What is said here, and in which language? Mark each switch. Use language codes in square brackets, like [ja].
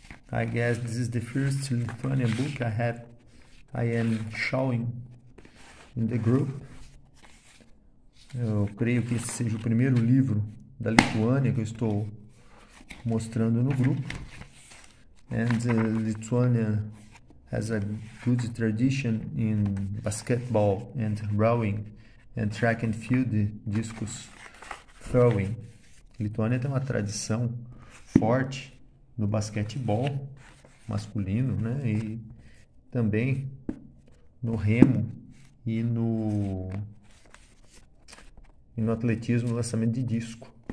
[en] I guess this is the first Lithuanian book I am showing in the group. [pt] Eu creio que esse seja o primeiro livro da Lituânia que eu estou mostrando no grupo. [en] And Lithuania has a good tradition in basketball and rowing and track and field discus throwing. [pt] Lituânia tem uma tradição forte no basquetebol masculino, né? E também no remo e no atletismo, no lançamento de disco.